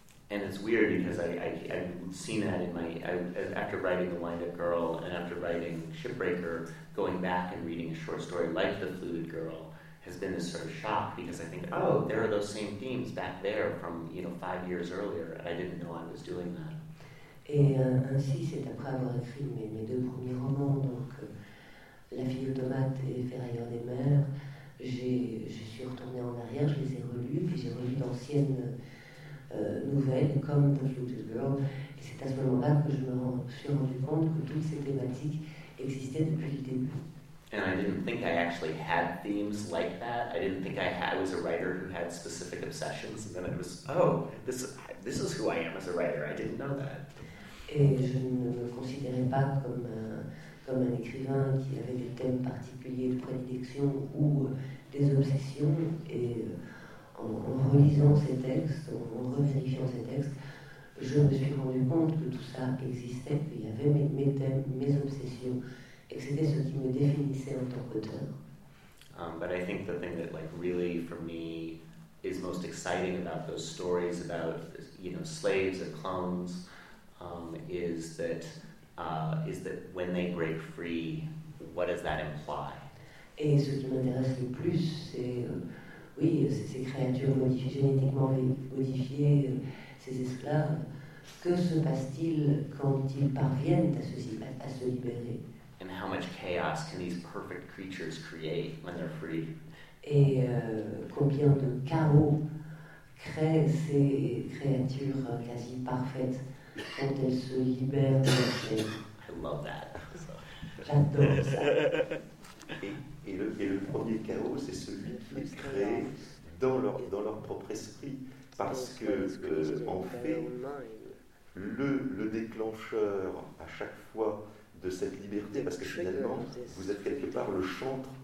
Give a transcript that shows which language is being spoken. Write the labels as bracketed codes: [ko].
[en] And it's weird because I've seen that in my after writing The Wind-Up Girl and after writing Shipbreaker, going back and reading a short story like The Fluted Girl. Has been this sort of shock because I think, oh, there are those same themes back there from, you know, 5 years earlier, and I didn't know I was doing that. [fr] Et ainsi, c'est après avoir écrit mes deux premiers romans, donc La fille automate et Ferrailleur des mers, je suis retournée en arrière, je les ai relues, puis j'ai relu d'anciennes nouvelles comme The Fluted Girl, et c'est à ce moment-là que je me suis rendu compte que toutes ces thématiques existaient depuis le début. [en] And I didn't think I actually had themes like that. I didn't think I was a writer who had specific obsessions. And then it was, oh, this is who I am as a writer. I didn't know that. [fr] Et je ne me considérais pas comme un écrivain qui avait des thèmes particuliers de prédilection ou des obsessions. Et en relisant ces textes, en revérifiant ces textes, je me suis rendu compte que tout ça existait, qu'il y avait mes thèmes, mes obsessions. Et c'était ce qui me définissait en tant qu'auteur. [en] But I think the thing that, like, really for me is most exciting about those stories about, you know, slaves or clones, is that when they break free, what does that imply? [fr] Et ce qui m'intéresse le plus, c'est ces créatures génétiquement modifiées, ces esclaves. Que se passe-t-il quand ils parviennent à se libérer? [en] And how much chaos can these perfect creatures create when they're free? [fr] Et combien de chaos créent ces créatures quasi parfaites quand elles se libèrent de leur chair? [en] I love that. [fr] J'adore ça. Et le premier chaos, c'est celui qu'ils créent dans leur propre esprit, parce que en fait, le déclencheur à chaque fois. De cette liberté, parce que finalement, vous êtes quelque part le chantre